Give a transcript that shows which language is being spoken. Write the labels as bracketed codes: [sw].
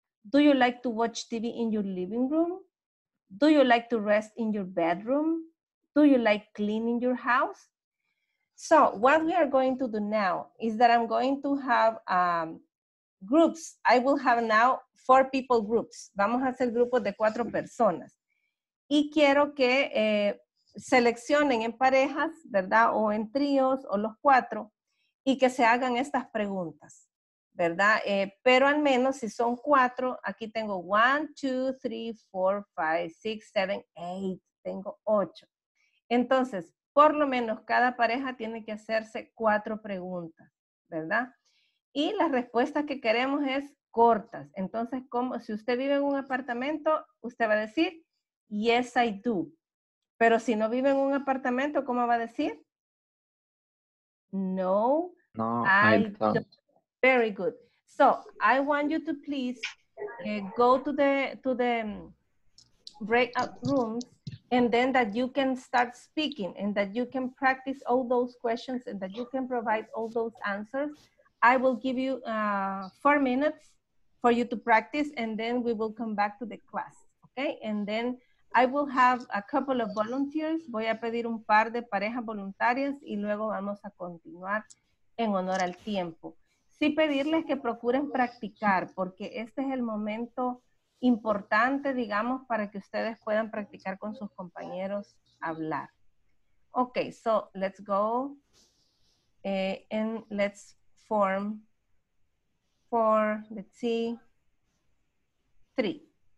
[en] Do you like to watch TV in your living room? Do you like to rest in your bedroom? Do you like cleaning your house? So, what we are going to do now is that I'm going to have groups. I will have now 4 people groups. [es] Vamos a hacer grupos de 4 personas. Y quiero que seleccionen en parejas, ¿verdad? O en tríos, o los 4. Y que se hagan estas preguntas, ¿verdad? Pero al menos si son cuatro, aquí tengo 1, 2, 3, 4, 5, 6, 7, 8. Tengo 8. Entonces, por lo menos cada pareja tiene que hacerse 4 preguntas, ¿verdad? Y las respuestas que queremos es cortas. Entonces, como si usted vive en un apartamento, usted va a decir, [en] yes, I do. [es] Pero si no vive en un apartamento, ¿cómo va a decir? [en] No, no I don't. Very good. So, I want you to please go to the breakout rooms and then that you can start speaking and that you can practice all those questions and that you can provide all those answers. I will give you 4 minutes for you to practice and then we will come back to the class, okay? And then I will have a couple of volunteers. [es] Voy a pedir un par de parejas voluntarias y luego vamos a continuar en honor al tiempo. Sí pedirles que procuren practicar porque este es el momento importante, digamos, para que ustedes puedan practicar con sus compañeros hablar. [en] Okay, so let's go and let's form four, let's see, 3.